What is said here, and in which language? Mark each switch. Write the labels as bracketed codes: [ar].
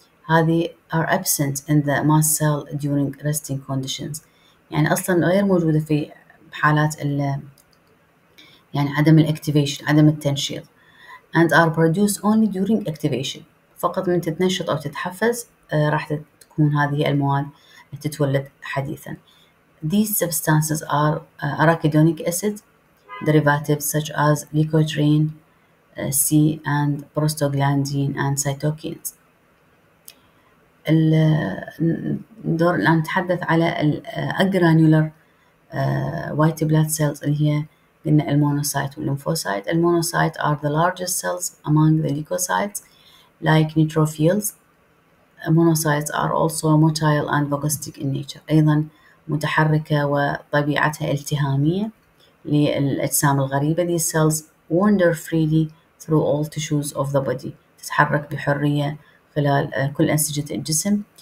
[ar] هذه [en] are absent in the mast cell during resting conditions، [ar] يعني أصلاً غير موجودة في حالات يعني عدم الاكتيفيشن، عدم التنشيط. [en] And are produced only during activation، [ar] فقط من تتنشط أو تتحفز راح تكون هذه المواد تتولد حديثا. [en] These substances are arachidonic acid derivatives such as leukotriene C and prostaglandin and cytokines. [ar] الدور الآن نتحدث على الـ [en] agranular white blood cells [ar] اللي هي قلنا المونوسايت والليمفوسايت. [en] المونوسايت are the largest cells among the leukocytes like neutrophils. Monocytes are also motile and vagocytic in nature، [ar] أيضا متحركة وطبيعتها التهامية للأجسام الغريبة. [en] These cells wander freely through all tissues of the body، [ar] تتحرك بحرية خلال كل أنسجة الجسم.